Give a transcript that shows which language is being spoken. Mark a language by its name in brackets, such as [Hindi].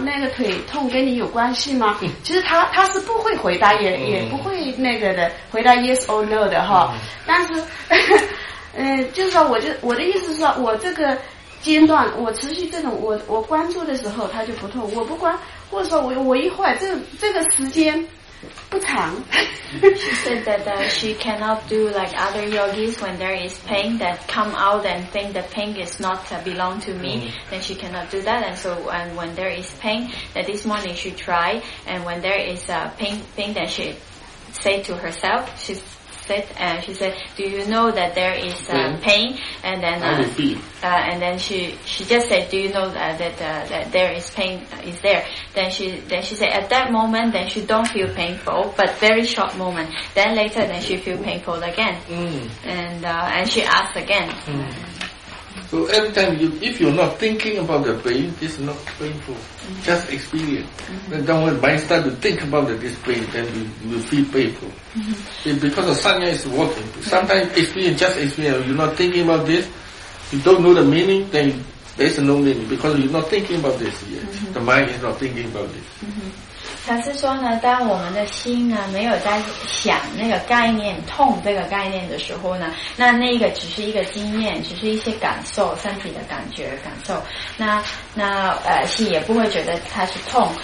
[Chinese] 那个腿痛跟你有关系吗？其实他是不会回答，也不会那个的回答 [English] yes or no [Chinese] 的哈。但是就是说我的意思是说，我这个间断我持续这种我关注的时候它就不痛，我不关或者说我一会儿这个时间不长。 [English] She said that she cannot do like other yogis when there is pain that come out and think the pain is not belong to me, then she cannot do that. And so and when there is pain that this morning she tried, and when there is a pain that she said to herself, she said, do you know that there is pain? And then she just said, do you know that there is pain is there? Then she said, at that moment, then she don't feel painful, but very short moment. Then later, then she feel painful again. And she asked again. So every time you, if you're not thinking about the pain, this is not painful. Mm-hmm. Just experience. Mm-hmm. Then when mind start to think about this pain, then you will feel painful. Mm-hmm. Because the sanya is working. Sometimes experience, just experience. You're not thinking about this. You don't know the meaning, then there's no meaning. Because you're not thinking about this yet. Mm-hmm. The mind is not thinking about this. Mm-hmm. [Chinese] 他是说呢，当我们的心呢没有在想那个概念痛这个概念的时候呢，那个只是一个经验，只是一些感受，身体的感觉感受，那心也不会觉得它是痛。